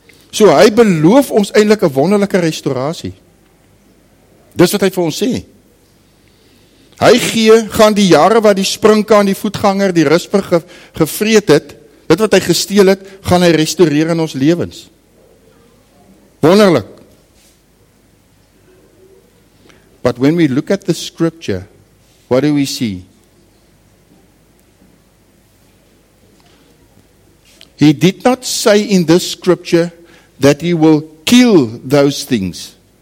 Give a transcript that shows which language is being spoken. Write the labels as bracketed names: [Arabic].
[Afrikaans] So hy beloof ons eindelijk een wonderlijke restauratie. Dis wat hy vir ons sê. Hy gee, gaan die jare waar die springkaan, die voetganger, die risper gevreet het, dit wat hy gesteel het, gaan hy restaureer in ons levens. Wonderlik. [English] But when we look at the scripture, what do we see? He did not say in this scripture that he will kill those things.